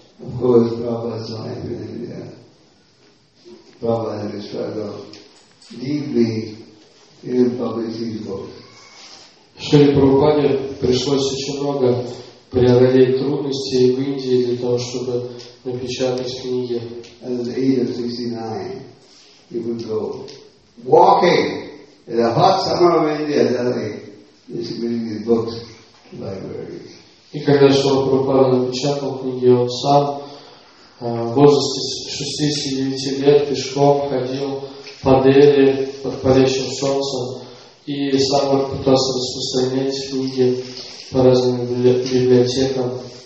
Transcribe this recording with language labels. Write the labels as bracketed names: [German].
[English] Of course, Prabhupada's life in India. Prabhupada had to struggle deeply in publishing books. [Russian] Шриле Прабхупаде пришлось очень много преодолеть трудностей в Индии для того, чтобы напечатать книги. [English] At the age of 69, he would go walking in the hot summer of India, Delhi, distributing his books to libraries. [Russian] И когда Шрила Прабхупада напечатал книги, он сам в возрасте 69 лет пешком ходил по Дели под палящим солнцем и сам пытался распространять книги по разным библиотекам.